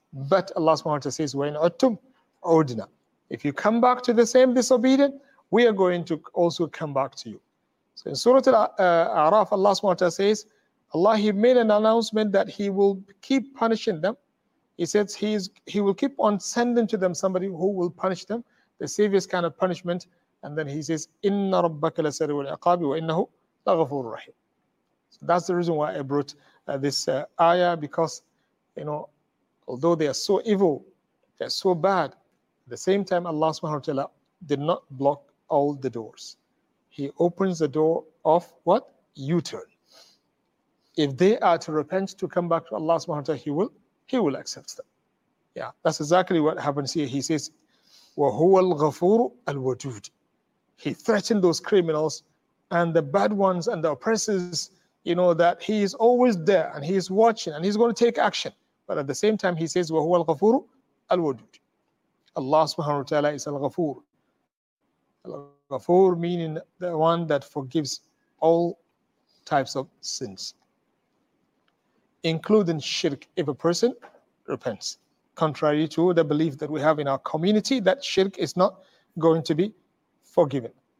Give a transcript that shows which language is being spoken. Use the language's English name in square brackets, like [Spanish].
[English] But Allah subhanahu wa ta'ala says, [Arabic] wa in utum udna. [English] If you come back to the same disobedient, we are going to also come back to you. So in Surah Al-A'raf, Allah subhanahu wa ta'ala says, Allah, he made an announcement that he will keep punishing them. He says he will keep on sending to them somebody who will punish them, the severest kind of punishment. And then he says, [Arabic] إِنَّ رَبَّكَ لَسَرِيعُ الْعِقَابِ وَإِنَّهُ لَغَفُورٌ رَحِيمٌ. [English] So that's the reason why I brought this ayah, because, you know, although they are so evil, they're so bad, at the same time, Allah subhanahu wa ta'ala did not block all the doors. He opens the door of what? U-turn. If they are to repent to come back to Allah subhanahu wa ta'ala, he will accept them. Yeah, that's exactly what happens here. He says, [Arabic] وَهُوَ الْغَفُورُ الْوَدُودِ. [English] He threatened those criminals and the bad ones and the oppressors, you know, that he is always there and he is watching and he's going to take action. But at the same time, he says, [Arabic] وَهُوَ الْغَفُورُ الْوَدُودِ. [English] Allah subhanahu wa ta'ala is al-ghafoor. Al-ghafoor meaning the one that forgives all types of sins, including shirk, if a person repents, contrary to the belief that we have in our community that shirk is not going to be forgiven.